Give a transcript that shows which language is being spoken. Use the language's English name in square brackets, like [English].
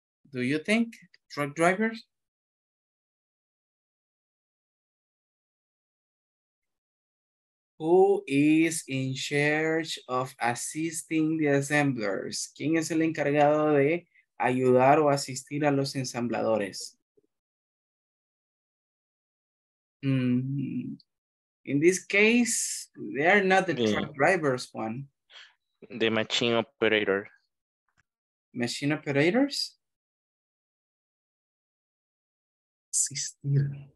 [English] Do you think truck drivers? Who is in charge of assisting the assemblers? [Spanish] ¿Quién es el encargado de ayudar o asistir a los ensambladores? [English] In this case, they are not the truck drivers one. The machine operator. Machine operators? [Spanish] Asistir.